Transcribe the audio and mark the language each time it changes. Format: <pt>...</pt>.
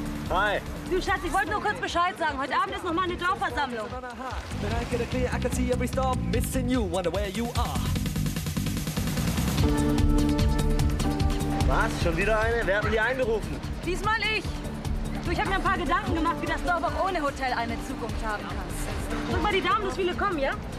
<de>Hi. Du Schatz, ich wollte nur kurz Bescheid sagen. Heute Abend ist noch mal eine Dorfversammlung.</de> <en>But I get a clear, I can see every stop. Missing you, wonder where you are.</en> <de>Was? Schon wieder eine? Wer hat denn die einberufen? Diesmal ich. Du, ich habe mir ein paar Gedanken gemacht, wie das Dorf auch ohne Hotel eine Zukunft haben kann. Guck mal die Damen, dass viele kommen, ja?</de>